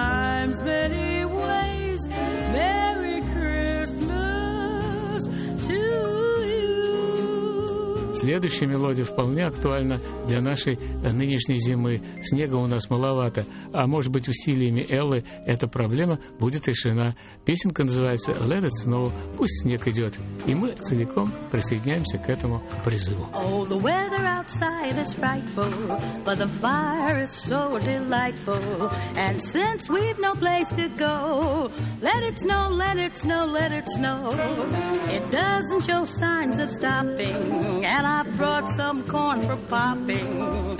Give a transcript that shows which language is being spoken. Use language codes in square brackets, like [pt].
[en] Many times, many ways, Merry Christmas to you. [ru] Следующая мелодия вполне актуальна для нашей нынешней зимы. Снега у нас маловато, а может быть, усилиями Эллы эта проблема будет решена. Песенка называется «Let it snow», «Пусть снег идет», и мы целиком присоединяемся к этому призыву. [en] Oh, the weather outside is frightful, but the fire is so delightful, and since we've no place to go, let it snow, let it snow, let it snow. It doesn't show signs of stopping, and I brought some corn for popping.